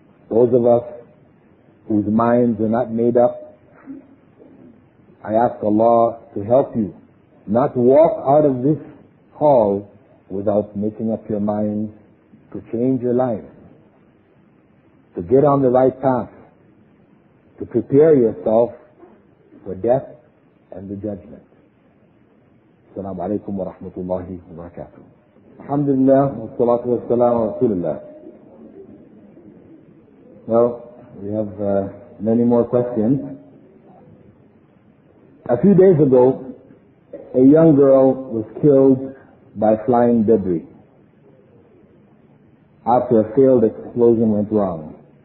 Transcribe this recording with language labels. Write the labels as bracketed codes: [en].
[en] Those of us whose minds are not made up, I ask Allah to help you not walk out of this hall without making up your mind to change your life, to get on the right path, to prepare yourself for death and the judgment. [ar] As-salamu alaykum wa rahmatullahi wa barakatuh. الحمد لله والصلاة والسلام على رسول الله. [en] Well, we have many more questions. A few days ago, a young girl was killed by flying debris after a failed explosion went wrong.